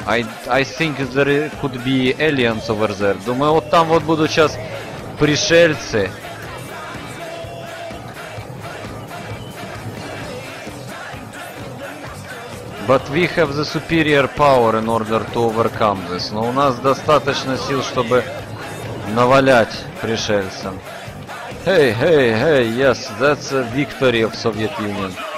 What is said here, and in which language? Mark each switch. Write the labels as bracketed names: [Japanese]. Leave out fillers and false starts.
[English] I think there could be aliens over there. [Russian] Думаю, вот там вот будут сейчас пришельцы. [English] But we have the superior power in order to overcome this. [Russian] Но у нас достаточно сил, чтобы навалять пришельцам. [English] Hey, hey, hey, yes, that's a victory of Soviet Union.